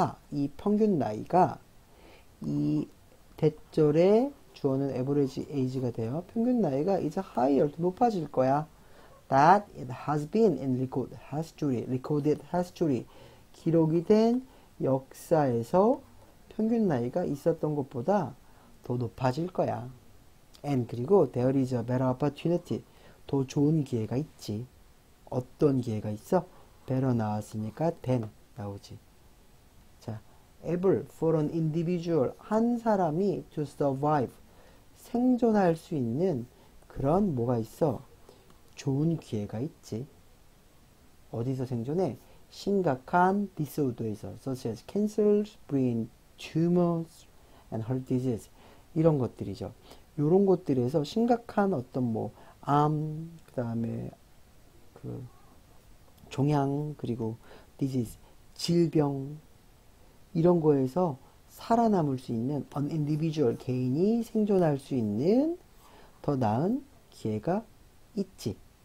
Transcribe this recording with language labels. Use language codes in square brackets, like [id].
[ko] 이 평균 나이가 이 대절의 주어는 average age가 돼요. 평균 나이가 이제 higher, 높아질 거야. [en] That it has been in record, history, recorded history. [ko] 기록이 된 역사에서 평균 나이가 있었던 것보다 더 높아질 거야. [en] And [ko] 그리고 [en] there is a better opportunity. [ko] 더 좋은 기회가 있지. 어떤 기회가 있어? [en] Better [ko] 나왔으니까 [en] than [ko] 나오지. 자, [en] able for an individual. [ko] 한 사람이 [en] to survive. [ko] 생존할 수 있는 그런 뭐가 있어? 좋은 기회가 있지. 어디서 생존해? 심각한 [en] disorder에서, such as cancers, brain tumors, and heart disease. [ko] 이런 것들이죠. 이런 것들에서 심각한 어떤 뭐, 암, 그다음에 그 종양, 그리고 disease, 질병, 이런 거에서 살아남을 수 있는, [en] an individual, [ko] 개인이 생존할 수 있는 더 나은 기회가 있지.